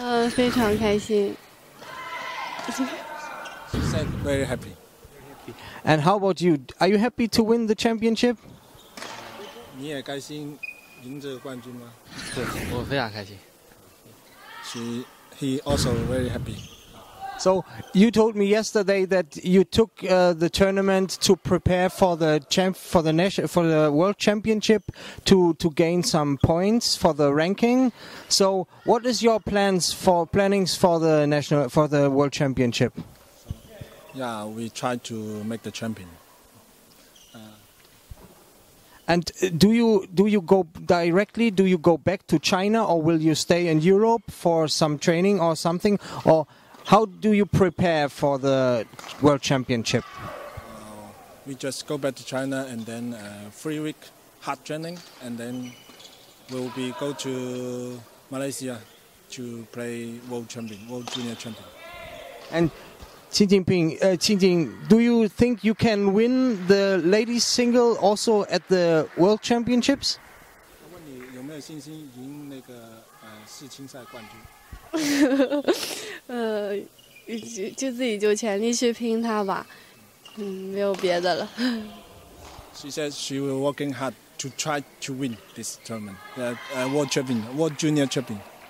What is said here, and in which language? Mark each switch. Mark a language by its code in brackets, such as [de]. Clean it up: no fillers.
[zh] 非常开心. [en] She said very happy. And how about you? Are you happy to win the championship? [zh] 你也开心赢这个冠军吗? 对，我非常开心。 [en] He also very happy. So you told me yesterday that you took the tournament to prepare for the world championship to gain some points for the ranking. So what is your plannings for the national for the world championship? Yeah, we try to make the champion. And do you go directly? Do you go back to China, or will you stay in Europe for some training or something? Or how do you prepare for the world championship? We just go back to China and then 3 week hard training, and then we'll be go to Malaysia to play world junior champion. And Jinjing, do you think you can win the ladies single also at the world championships? [zh] 我问你有没有信心赢那个世青赛冠军？就自己就全力去拼它吧，没有别的了。 [en] She says she will working hard to try to win this tournament, the world champion, world junior champion.